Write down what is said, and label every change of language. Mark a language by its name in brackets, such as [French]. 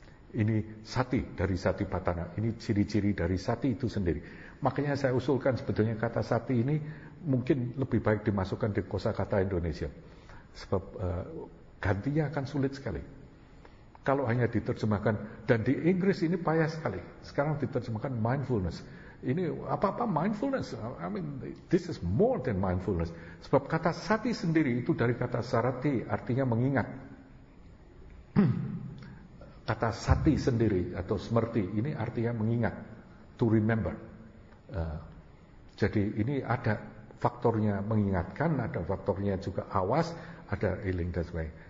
[Indonesian] Ini sati dari satipatthana. Ini ciri-ciri dari sati itu sendiri. Makanya saya usulkan sebetulnya kata sati ini mungkin lebih baik dimasukkan di kosakata Indonesia. Sebab gantinya akan sulit sekali. Kalau hanya diterjemahkan, dan di Inggris ini payah sekali. Sekarang diterjemahkan mindfulness. Ini apa-apa mindfulness. [English] I mean this is more than mindfulness. [Indonesian] Sebab kata sati sendiri itu dari kata sarati, artinya mengingat. Kata sati sendiri atau smerti ini artinya mengingat, [English] to remember. [Indonesian] Jadi ini ada faktornya mengingatkan, ada faktornya juga awas, ada healing dan sebagainya.